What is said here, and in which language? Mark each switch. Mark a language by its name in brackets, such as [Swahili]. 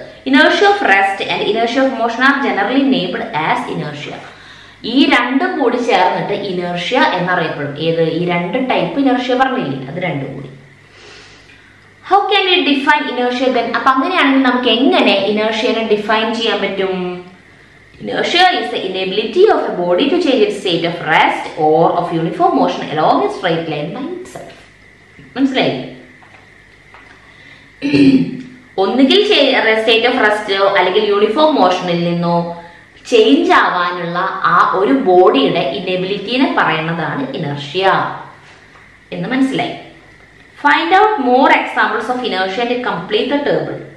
[English] Inertia of rest and inertia of motion are generally enabled as inertia. [Malayalam] ഈ രണ്ടും കൂടി ചേർന്നിട്ട് ഇനേർഷ്യ എന്നറിയപ്പെടും. ഏത്? ഈ രണ്ട് ടൈപ്പ് ഇനേർഷ്യ പറഞ്ഞില്ലേ, അത് രണ്ടും കൂടി. [English] How can we define inertia then? [Malayalam] അപ്പൊ അങ്ങനെയാണെങ്കിൽ നമുക്ക് എങ്ങനെ ഇനേർഷ്യനെ ഡിഫൈൻ ചെയ്യാൻ പറ്റും? [English] Inertia is the inability of a body to change its state of rest or of uniform motion along a straight line by itself. [Malayalam] മനസ്സിലായി? ഒന്നുകിൽ സ്റ്റേറ്റ് ഓഫ് റെസ്റ്റോ അല്ലെങ്കിൽ uniform മോഷനിൽ നിന്നോ ചേഞ്ച് ആവാനുള്ള ആ ഒരു ബോഡിയുടെ ഇനബിലിറ്റിനെ പറയുന്നതാണ് ഇനേർഷ്യ എന്ന് മനസ്സിലായി. [English] Find out more examples of ഇനേർഷ്യന്റെ complete table.